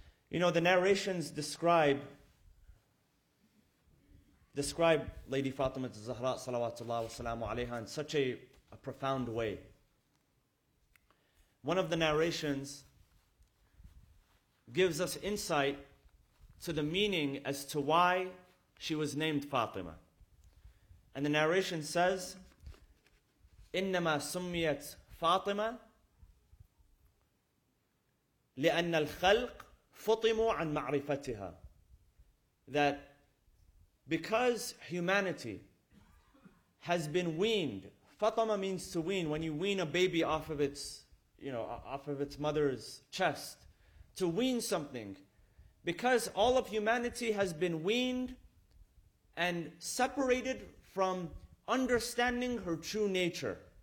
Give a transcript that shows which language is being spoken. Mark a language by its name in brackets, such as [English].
[English] You know, the narrations describe Lady Fatima al-Zahra salawatullah wa salamu alayha in such a profound way. One of the narrations gives us insight to the meaning as to why she was named Fatima. And the narration says, [Arabic] إِنَّمَا سُمِّيَتْ فَاطِمَةَ لِأَنَّ الْخَلْقِ فطموا عن معرفتها, [English] that because humanity has been weaned, فطمة means to wean, when you wean a baby off of its, you know, off of its mother's chest, to wean something, because all of humanity has been weaned and separated from understanding her true nature,